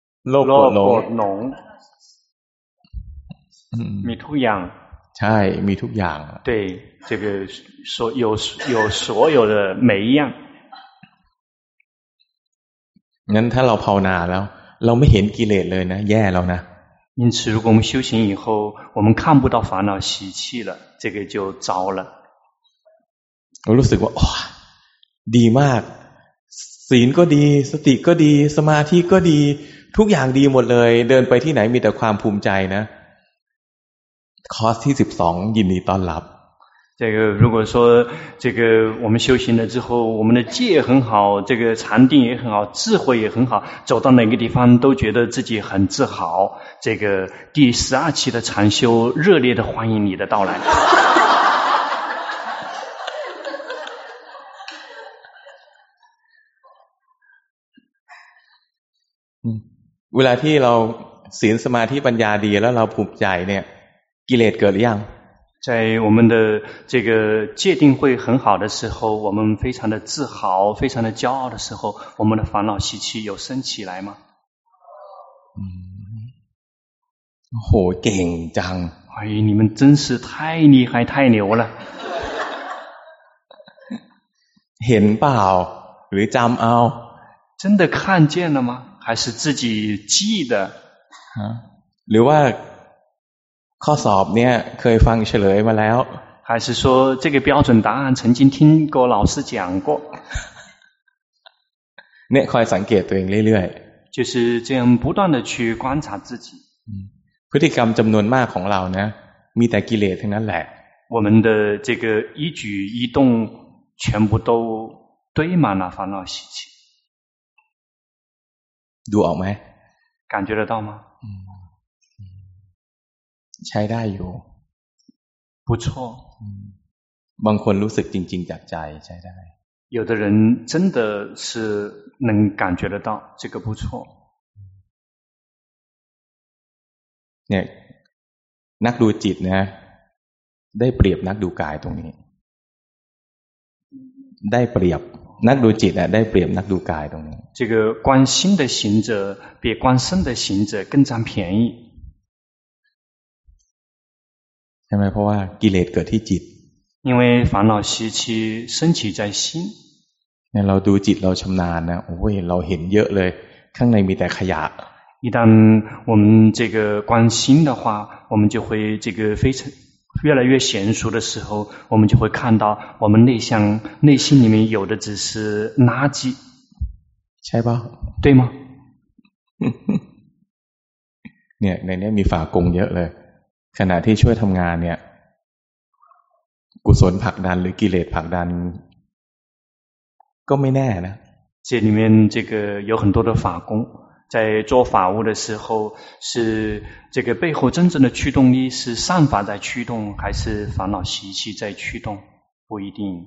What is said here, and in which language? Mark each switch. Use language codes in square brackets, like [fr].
[th] โลภโกร ธหลงมีทุกอย่าง ใช่มีทุกอย่าง [zh] 对这个所有所有的每一样 [th] งั้นถ้าเราภาวนาแล้วเราไม่เห็นกิเลสเลยนะแย่แล้วนะ [zh] 因此如果我们修行以后我们看不到烦恼习气了这个就糟了 [th] 我รู้สึกว่าดีมากศีลก็ดีสติก็ดีสมาธิก็ดีทุกอย่างดีหมดเลยเดินไปที่ไหนมีแต่ความภูมิใจนะคอร์สที่12ยินดีต้อนรับ [zh] 这个如果说这个我们修行了之后我们的戒很好这个禅定也很好智慧也很好走到哪个地方都觉得自己很自豪这个第十二期的禅修热烈的欢迎你的到来 [th] เวลาที่เราศีลสมาธิปัญญาดีแล้วเราภูมิใจเนี่ยกิเลสเกิดหรือยัง [zh] 在我们的这个戒定慧很好的时候我们非常的自豪非常的骄傲的时候我们的烦恼习气有升起来吗 [th] โหเก่งจัง [zh] 哎你们真是太厉害太牛了 [th] เห็นเปล่าหรือจำเอา [zh] 真的看见了吗还是自己记的 [th] หรือว่าข้อสอบเนี่ยเคยฟังเฉลยมาแล้ว [zh] 还是说这个标准答案曾经听过老师讲过 [th] เนี่ยคอยสังเกตตัวเองเรื่อย [zh] ๆ就是这样不断的去观察自己 [th] พฤติกรรมจำนวนมากของเรานะมีแต่กิเลสทั้งนั้นแหละ [zh] 我们的这个一举一动全部都堆满了烦恼习气 [th] ดูออกไหม [zh] 感觉得到吗 [th] ใช้ได้อยู่ [zh] 不错 [th] บางคนรู้สึกจริงๆจากใจใช้ได้ [zh] 有的人真的是能感觉得到这个不错 [th] เนี่ยนักดูจิตนะได้เปรียบนักดูกายตรงนี้ได้เปรียบนักดูจิตได้เปรียบนักดูกายตรงนี้ [zh] 这个观心的行者比观身的行者更占便宜 [th] ใช่ไหมเพราะว่ากิเลสเกิดที่จิต [zh] 因为烦恼习气升起在心 [th] เนี่ยเราดูจิตเราชำนาญนะโอ้ยเราเห็นเยอะเลยข้างในมีแต่ขยะ [zh] 一旦我们这个观心的话我们就会这个非常越来越娴熟的时候我们就会看到我们内心里面有的只是垃圾 [th] ใช่ป่ะ [zh] 对吗 [th] เนี่ยในนี้มีฝากงเยอะเลยขณะที่ช่วยทำงานเนี่ยกุศลผักดันหรือกิเลสผักดันก็ไม่แน่นะ [zh] 这里面这个有很多的法工在做法务的时候是这个背后真正的驱动力是善法在驱动还是烦恼习气在驱动不一定